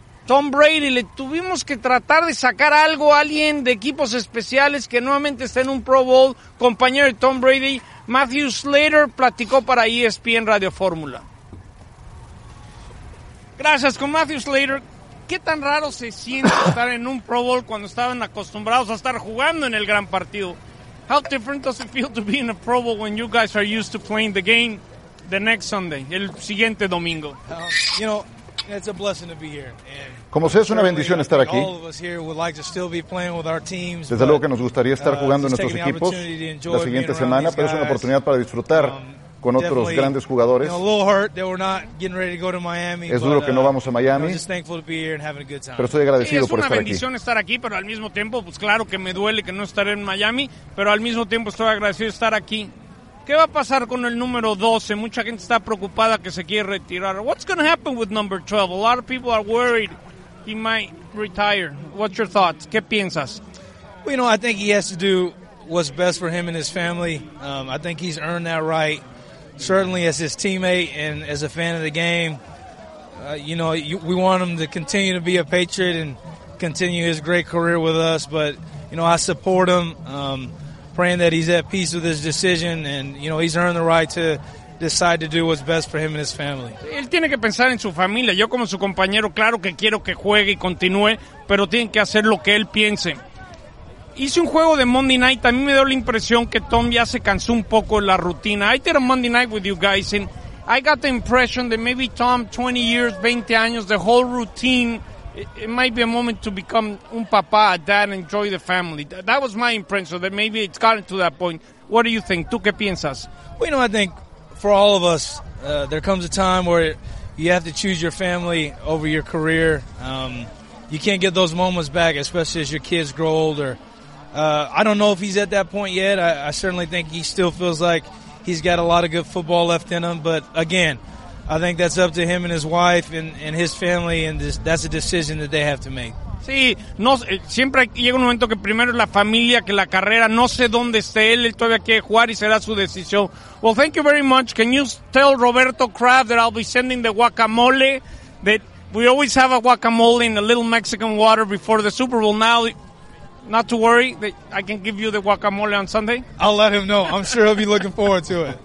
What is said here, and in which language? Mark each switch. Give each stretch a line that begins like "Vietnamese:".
Spanish: Tom Brady, le tuvimos que tratar de sacar algo a alguien de equipos especiales que nuevamente está en un Pro Bowl, compañero de Tom Brady. Matthew Slater platicó para ESPN Radio Fórmula. Gracias, con Matthew Slater. ¿Qué tan raro se siente estar en un Pro Bowl cuando estaban acostumbrados a estar jugando en el gran partido?
English: How different does it feel to be in a Pro Bowl when you guys are used to playing the game the next Sunday,
Spanish: el siguiente domingo?
English: You know, it's a blessing to be here.
Spanish: Como sea, es una bendición estar aquí. Desde luego que nos gustaría estar jugando en nuestros equipos la siguiente semana, pero es una oportunidad para disfrutar con otros grandes jugadores. Es duro que no vamos a Miami, pero estoy agradecido por estar aquí. Es una bendición estar aquí, pero al mismo tiempo, pues claro que me duele que no estaré en Miami, pero al mismo tiempo estoy agradecido de estar aquí. ¿Qué va a pasar con el número 12? Mucha gente está preocupada que se quiere retirar.
English: What's going to happen with number 12? A lot of people are worried he might retire. What's your thoughts?
Spanish: ¿Qué piensas?
English: Well, you know, I think he has to do what's best for him and his family. I think he's earned that right. Certainly as his teammate and as a fan of the game, we want him to continue to be a Patriot and continue his great career with us. But, you know, I support him, praying that he's at peace with his decision. And, you know, he's earned the right to decide to do what's best for him and his family.
Spanish: Él tiene que pensar en su familia. Yo como su compañero, claro que quiero que juegue y continúe, pero tiene que hacer lo que él piense. Hice un juego de Monday Night. A mí me dio la impresión que Tom ya se cansó un poco de la rutina.
English: I did a Monday Night with you guys, and I got the impression that maybe Tom, 20 years,
Spanish: 20 años,
English: the whole routine, it might be a moment to become
Spanish: un papá,
English: a dad, and enjoy the family. That was my impression, that maybe it's gotten to that point. What do you think?
Spanish: ¿Tú qué piensas?
English: Well, you know, I think for all of us, there comes a time where you have to choose your family over your career. You can't get those moments back, especially as your kids grow older. I don't know if he's at that point yet. I certainly think he still feels like he's got a lot of good football left in him. But again, I think that's up to him and his wife and his family, and that's a decision that they have to make.
Spanish: Sí, no, siempre llega un momento que primero la familia que la carrera. No sé dónde esté él. Él todavía quiere jugar y será su decisión.
English: Well, thank you very much. Can you tell Roberto Kraft that I'll be sending the guacamole? That we always have a guacamole in a little Mexican water before the Super Bowl. Now, not to worry, I can give you the guacamole on Sunday. I'll let him know. I'm sure he'll be looking forward to it.